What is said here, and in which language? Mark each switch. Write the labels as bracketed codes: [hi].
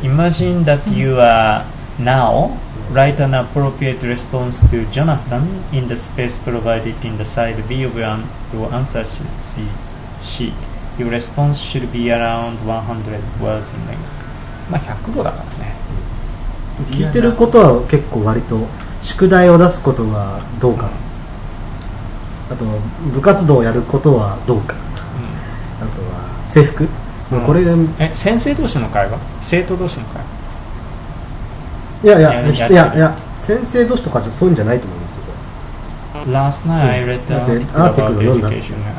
[en] Imagine that you are now write an appropriate response to Jonathan in the space provided in the side B of your answer sheet. Your response should be around 100 words in length. [ja] まあ100語だからね。聞いてることは結構割と、宿題を出すことはどうか、あと部活動をやることはどうか、うん、あとは制服、うん、これえ先生同士の会話、生徒同士の会話、いやいや、いやいや、先生同士とかじゃそういうんじゃないと思うんですよ。 [en] Last night、 [ja] うん、 [en] I read an article about education.